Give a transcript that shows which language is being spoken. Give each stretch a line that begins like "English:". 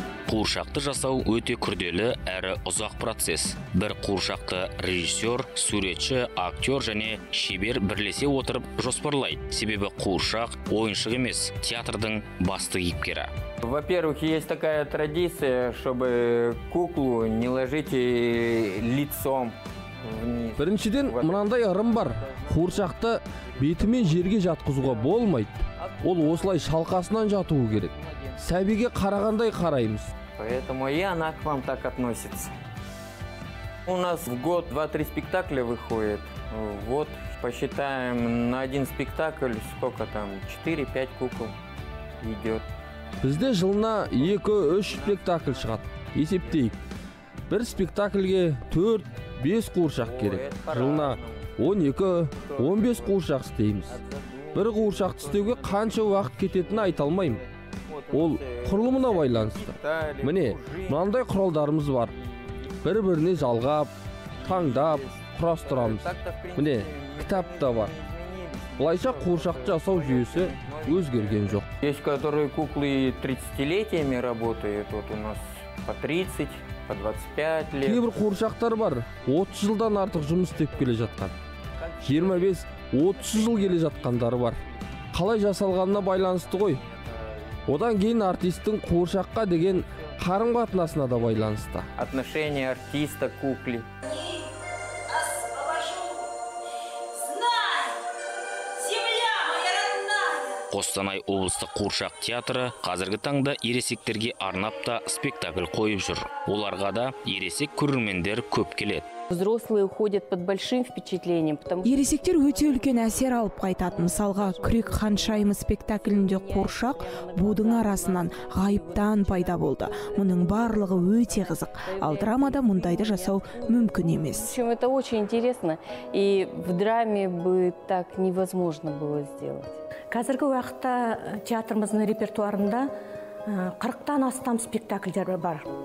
Kazakh: Қуыршақты жасау өте күрделі әрі ұзақ процесс. Бір қуыршақты режиссер, суретші, актер және шебер бірлесе отырып жоспарлайды. Себебі қуыршақ ойыншық емес, театрдың басты кейіпкері.
Russian: Во-первых, есть такая традиция, чтобы куклу не ложить лицом вниз.
Kazakh: Біріншіден, мынандай ырым бар. Қуыршақты бетімен жерге жатқызуға болмайды. Ол осылай шалқасынан жатуы керек. Сәбиге қарағандай қараймыз.
Russian: Поэтому и она к вам так относится. У нас в год 2-3 спектакля выходит. Вот посчитаем на один спектакль, сколько там, 4-5 кукол идет.
Kazakh: Бізде жылына 2-3 спектакль шығады. Есептейік. Бір спектакльге 4-5 қуыршақ керек. Жылына 12-15 қуыршақ істейміз. Бір қуыршақ істеуге қанша уақыт кететінін айталмаймын. Ол құрылымына байланысты. Міне, мынандай құралдарымыз бар. Бір-біріне жалғап, таңдап, құрастырамыз. Міне, кітап та бар. Былайша қуыршақ жасау жүйесі өзгерген жоқ.
Russian: Есть, которые куклы 30-летиями работают. Вот у нас по 30, по 25 лет.
Kazakh: Кейбір қуыршақтар бар. 30 жылдан артық жұмыс істеп келе жатқан. 25-30 жыл келе жатқандары бар. Қалай жасалғанына байланысты ғой. Одан кейін артистің қуыршаққа деген қарым-қатынасына да байланысты.
Russian: Отношение артиста к кукле.
Kazakh: Қостанай облыстық қуыршақ театры қазіргі таңда ересектерге арнап та спектакль қойып жүр. Оларға да ересек көрермендер көп келеді.
Russian: Взрослые уходят под большим впечатлением, потому что
Kazakh: ересектер өте үлкен әсер алып қайтады. Мысалға, Күрек ханшайымы спектаклінде қуыршақ будың арасынан ғайыптан пайда болды. Мұның барлығы өте қызық. Ал драмада мұндайды жасау мүмкін емес.
Russian: Это очень интересно, и в драме бы так невозможно было сделать.
Kazakh: Қазіргі уақытта театрымыздың репертуарында 40-тан астам спектакльдер бар.